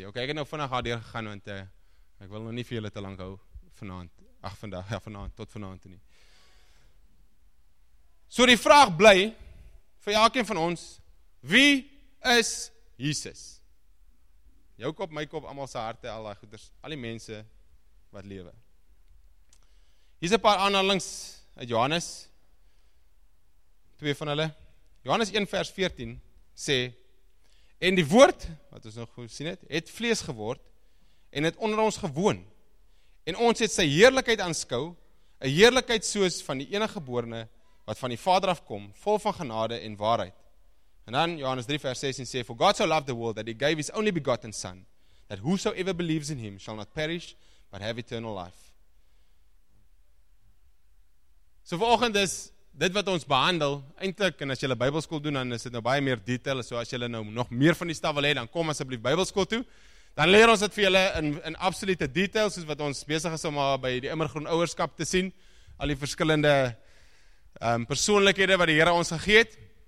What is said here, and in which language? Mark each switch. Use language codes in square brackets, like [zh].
[af] Ok, ek het nou vinnig hardeer gegaan, want ek wil nog nie vir julle te lang hou tot vanavond nie. So die vraag bly, vir elkeen van ons, wie is Jesus? Jou kop, my kop, allemaal sy harte, al die goeders, al die mense wat lewe. Hier is een paar aanhalings uit Johannes, twee van hulle. Johannes 1 vers 14 sê, en die woord, wat ons nog gesien het, het vlees geword, en het onder ons gewoon, en ons het sy heerlikheid aanskou, 'n heerlikheid soos van die enige geborene, wat van die Vader afkom, vol van genade en waarheid. [en] En dan Johannes 3 vers 16 sê, for God so loved the world, that he gave his only begotten son, that whosoever believes in him, shall not perish, but have eternal life. [af] So vanoggend is dit wat ons behandel, eintlik, en as jy bybelskool doen, dan is dit nou baie meer detail, so as jy nou nog meer van die stuff wil hê, dan kom asseblief bybelskool toe, dan leer ons dit vir julle in absolute detail, soos wat ons besig is om by die immergroen ouerskap te sien, al die verskillende persoonlikhede wat die Here ons gegee het.